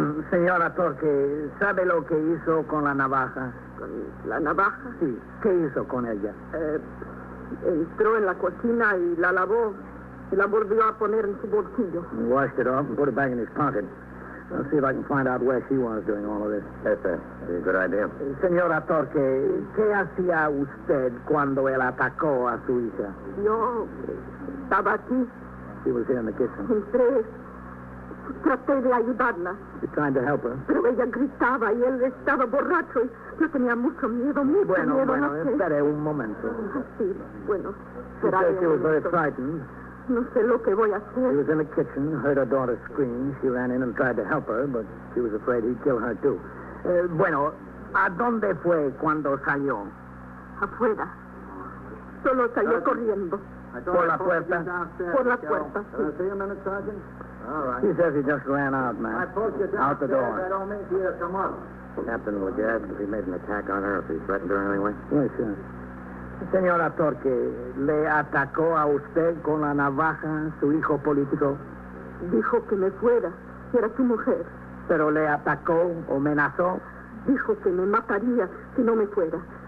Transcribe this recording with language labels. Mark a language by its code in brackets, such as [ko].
[es] Señora Torque, ¿sabe lo que hizo con la navaja? ¿Con la navaja? Sí. ¿Qué hizo con ella? Entró en la cocina y la lavó. Y la volvió a poner en su bolsillo. [en] He washed it off and put it back in his pocket. I'll see if I can find out where she was doing all of this. Yes, sir. That'd be a good idea. [es] Señora Torque, ¿qué hacía usted cuando él atacó a su hija? Yo estaba aquí. [en] She was here in the kitchen. [es] Entré. Traté de ayudarla. [en] You're trying to help her? [es] Pero ella gritaba y él estaba borracho. Y yo tenía mucho miedo, mucho bueno, miedo. Bueno, no sé. Esperé un momento. Sí, bueno. Será [en] she said she was very frightened. [es] No sé lo que voy a hacer. [en] He was in the kitchen, heard her daughter scream. She ran in and tried to help her, but she was afraid he'd kill her, too. [es] Bueno, ¿a dónde fue cuando salió? Afuera. Solo salió corriendo. ¿Por la puerta? Por la puerta, sí. [en] See you in a minute, Sergeant. All right. He says he just ran out, man. I pulled you down out the door. I don't mean to hear come up. Captain, would you ask if he made an attack on her, if he threatened her anyway? Yes, sir. [es] Señora Torque, ¿le atacó a usted con la navaja su hijo político? Dijo que me fuera, que era su mujer. ¿Pero le atacó o amenazó? Dijo que me mataría si no me fuera.